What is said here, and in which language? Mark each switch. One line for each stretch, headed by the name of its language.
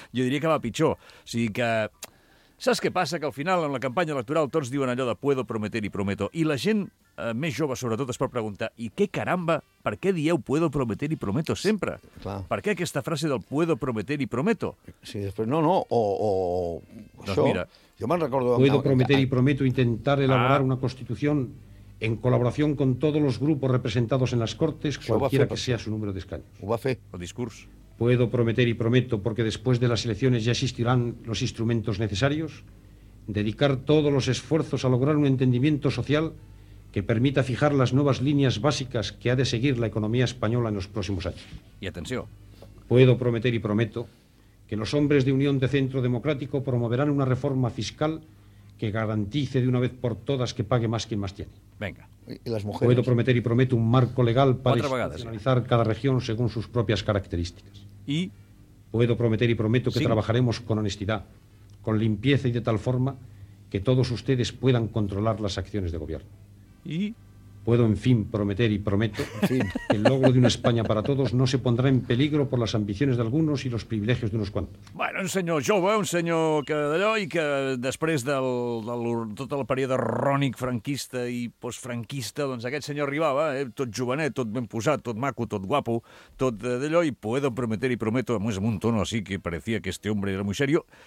Catalan: Jo diria que va pitjor. O sigui que... Saps què passa? Que al final, en la campanya electoral, tots diuen allò de
Spanish: puedo prometer y prometo.
Catalan: I la gent més jove, sobretot, es pot preguntar i què caramba, per què dieu
Spanish: puedo prometer y prometo
Catalan: sempre? Clar. Per què aquesta frase del
Spanish: puedo prometer y prometo?
Catalan: Sí, després, no, o doncs això, mira, jo me'n recordo...
Spanish: Puedo prometer y prometo intentar elaborar una constitución en colaboración con todos los grupos representados en las Cortes, cualquiera que sea su número de escaños.
Catalan: Ho va fer. El discurs.
Spanish: Puedo prometer y prometo, porque después de las elecciones ya existirán los instrumentos necesarios, dedicar todos los esfuerzos a lograr un entendimiento social que permita fijar las nuevas líneas básicas que ha de seguir la economía española en los próximos años. Y atención. Puedo prometer y prometo que los hombres de Unión de Centro Democrático promoverán una reforma fiscal que garantice de una vez por todas que pague más quien más tiene. Venga. ¿Y las mujeres? Puedo prometer y prometo un marco legal para institucionalizar cada región según sus propias características. ¿Y? Puedo prometer y prometo que trabajaremos con honestidad, con limpieza y de tal forma que todos ustedes puedan controlar las acciones de gobierno. ¿Y? puedo en fin prometer y prometo que el logro de una España para todos no se pondrá en peligro por las ambiciones de algunos y los privilegios de unos cuantos.
Catalan: Bueno, un senyor jove, un senyor que d'allò i que després de tot el període rònic franquista i postfranquista, doncs aquest senyor arribava, tot jovenet, tot ben posat, tot maco, tot guapo, tot d'allò i
Spanish: puedo prometer i prometo,
Catalan: a més amb un tono així que
Spanish: parecia que este hombre era muy serio.